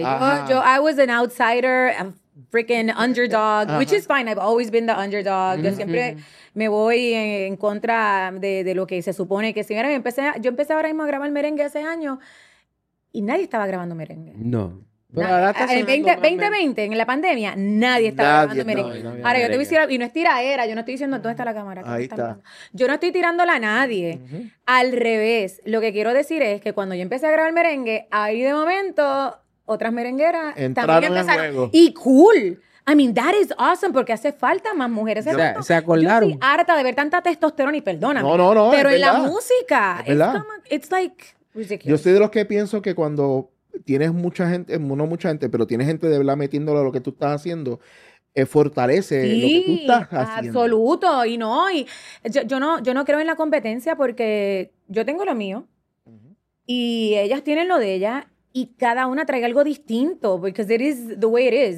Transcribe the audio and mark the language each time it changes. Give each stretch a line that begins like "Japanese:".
English: I was an outsider, a freaking underdog, which is fine. I've always been the underdog.
Spanish: Mm-hmm. Yo siempre me voy en contra de lo que se supone que si era. Yo empecé ahora mismo a grabar merengue hace años y nadie estaba grabando merengue. No. 2020, en la pandemia, nadie estaba grabando merengue. Ahora, yo te voy a decir, y no es tiradera, yo no estoy diciendo, ¿dónde está la cámara? Ahí está. Yo no estoy tirándola a nadie. Uh-huh. Al revés, lo que quiero decir es que cuando yo empecé a grabar merengue, ahí de momento, otras merengueras entraron también empezaron. En juego. Y cool.
English: I mean, that is awesome,
Spanish: porque hace falta más mujeres. O sea, se acordaron. Yo estoy harta de ver tanta testosterona y perdóname. No, pero en la música,
English: it's like ridiculous.
Spanish: Yo soy de los que pienso que cuando tienes mucha gente, no mucha gente, pero tienes gente de verdad metiéndolo a lo que tú estás haciendo, fortalece sí, lo que tú estás haciendo. Absoluto, y no, y yo no creo en la competencia porque yo tengo lo mío uh-huh. y ellas tienen lo de ellas. Y cada una trae algo distinto,
English: because it is the way it is.